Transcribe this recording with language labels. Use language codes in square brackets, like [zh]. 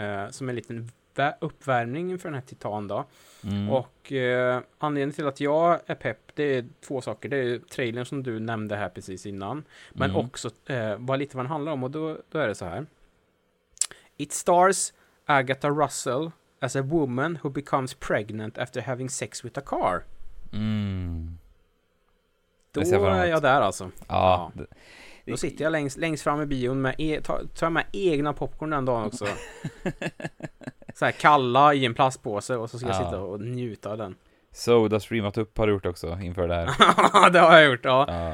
[sv] Som är en liten uppvärmning för den här Titan då. Och anledningen till att jag är pepp, det är två saker. Det är trailern som du nämnde här precis innan, men också vad den handlar om, och då är det så här. [en] It stars Agatha Russell as a woman who becomes pregnant after having sex with a car. [sv] Då är jag där alltså. Ja. Då sitter jag längst fram i bion med tar jag med egna popcorn den dagen också. Så här kalla i en plastpåse, och så ska jag sitta och njuta av den. Så du har streamat upp, har du gjort också inför det här? Det har jag gjort, ja.